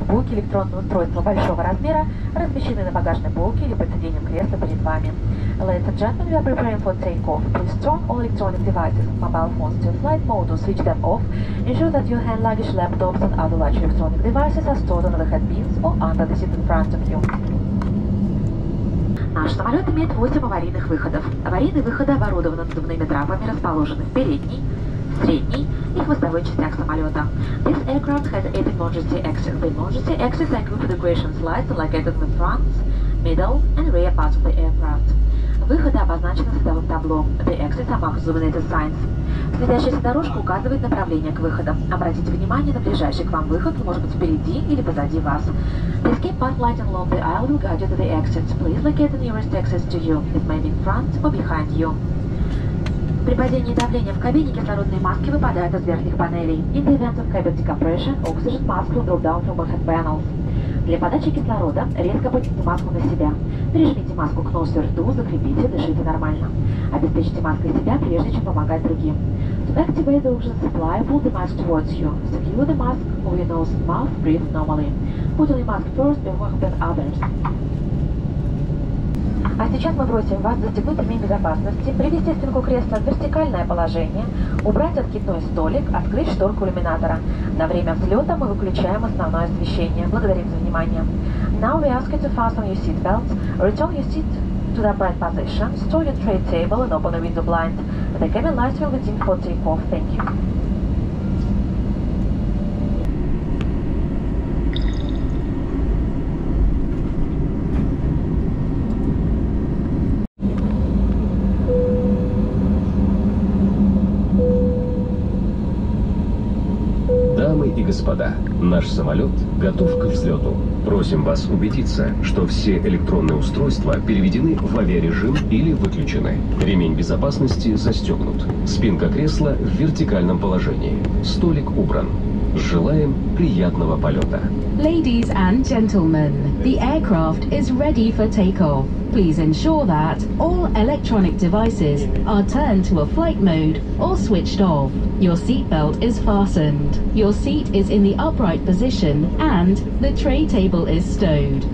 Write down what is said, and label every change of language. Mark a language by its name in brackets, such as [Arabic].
[Russian] Электронные устройства большого размера размещены на багажной полке или под сиденьем кресла перед вами. [English] Ladies and gentlemen, we are preparing for take-off. Please turn all electronic devices, mobile phones to flight mode or switch them off. Ensure that your hand luggage, laptops and other large electronic devices are stored on overhead bins or under the seat in front of you. [Russian] Наш самолет имеет 8 аварийных выходов. Аварийные выходы оборудованы надувными трапами, расположены в передней, средней и хвостовой частях самолета. [English] This aircraft has 8 emergency exits. The emergency exits are equipped with egress lights located in the front, middle and rear parts of the aircraft. [Russian] Выходы обозначены световым табло. [English] The exits are marked with illuminated signs. [Russian] Светящаяся дорожка указывает направление к выходам. Обратите внимание на ближайший к вам выход, может быть впереди или позади вас. [English] The escape path light along the aisle will guide you to the exits. Please locate the nearest exits to you. It may be in front or behind you. [Russian] При падении давления в кабине кислородные маски выпадают из верхних панелей. [English] In the event of cabin decompression, oxygen mask will drop down from overhead panels. [Russian] Для подачи кислорода резко потяните маску на себя. Прижмите маску к носу и рту, закрепите, дышите нормально. Обеспечьте маской себя, прежде чем помогать другим. [English] To activate the oxygen supply, pull the mask towards you. Secure the mask over your nose and mouth, breathe normally. Put on the mask first before helping others. [Russian] А сейчас мы просим вас застегнуть ремень безопасности, привести спинку кресла в вертикальное положение, убрать откидной столик, открыть шторку иллюминатора. На время взлета мы выключаем основное освещение. Благодарим за внимание. [English] Now we ask you to fasten your seat belts, return your seat to the upright position, store your tray table and open the window blind. The cabin lights will be dim for take-off. Thank you. [Russian] Господа, наш самолет готов к взлету. Просим вас убедиться, что все электронные устройства переведены в авиарежим или выключены. Ремень безопасности застегнут. Спинка кресла в вертикальном положении. Столик убран. Желаем приятного полета. [English] Ladies and gentlemen, the aircraft is ready for takeoff. Please ensure that all electronic devices are turned to a flight mode or switched off. Your seatbelt is fastened. Your seat is in the upright position and the tray table is stowed.